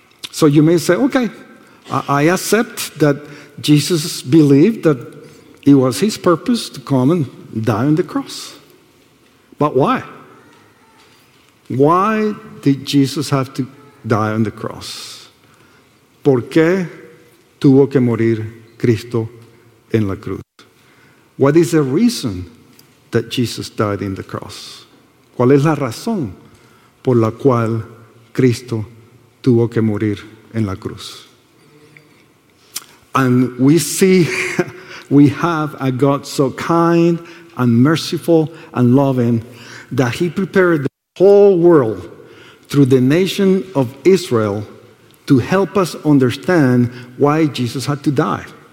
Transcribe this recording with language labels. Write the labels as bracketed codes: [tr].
[en] So you may say, okay, I accept that Jesus believed that it was his purpose to come and die on the cross. But why? Why did Jesus have to die on the cross? [es] ¿Por qué tuvo que morir Cristo en la cruz? [en] What is the reason that Jesus died in the cross? [es] ¿Cuál es la razón por la cual Cristo tuvo que morir en la cruz? [en] And we see we have a God so kind and merciful and loving that he prepared the whole world through the nation of Israel to help us understand why Jesus had to die.